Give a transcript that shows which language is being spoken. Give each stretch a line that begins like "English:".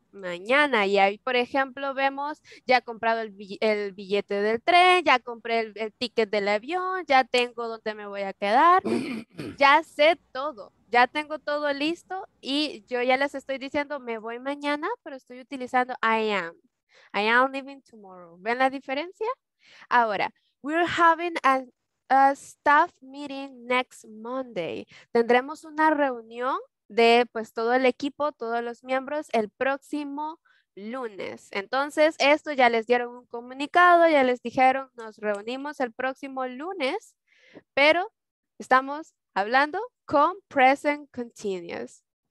Spanish: Mañana, y ahí por ejemplo vemos, ya he comprado el billete del tren, ya compré el ticket del avión, ya tengo dónde me voy a quedar, ya sé todo, ya tengo todo listo y yo ya les estoy diciendo me voy mañana, pero estoy utilizando
English: I am leaving tomorrow.
Spanish: ¿Ven la diferencia?
English: Ahora, we're having a staff meeting next Monday.
Spanish: Tendremos una reunión de pues todo el equipo, todos los miembros, el próximo lunes. Entonces, esto ya les dieron un comunicado, ya les dijeron, nos reunimos el próximo lunes, pero estamos hablando con present continuous.